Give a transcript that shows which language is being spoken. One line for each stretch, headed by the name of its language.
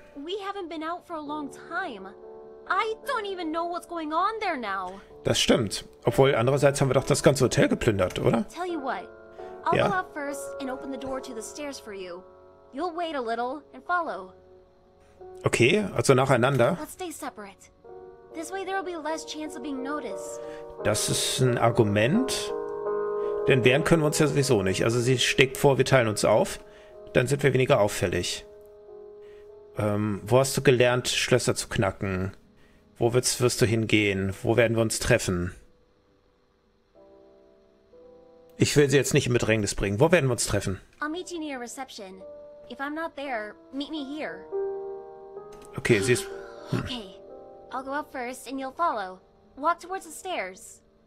English: We haven't been out for a long time. I don't even know what's going on there now.
German: Das stimmt. Obwohl, andererseits haben wir doch das ganze Hotel geplündert, oder?
English: Tell you what. I'll go out first and open the door to the stairs for you. You'll wait a little and follow.
German: Okay, also nacheinander.
English: Let's stay separate. This way there will be less chance of being noticed.
German: Das ist ein Argument. Denn wehren können wir uns ja sowieso nicht. Also sie schlägt vor, wir teilen uns auf. Dann sind wir weniger auffällig. Wo hast du gelernt, Schlösser zu knacken? Wo wirst du hingehen? Wo werden wir uns treffen? Ich will sie jetzt nicht in Bedrängnis bringen. Wo werden wir uns treffen?
English: I'll meet you near a reception. If I'm not there, meet me here.
German: Okay, sie ist...
English: Okay, I'll go up first and you'll follow. Walk towards the stairs.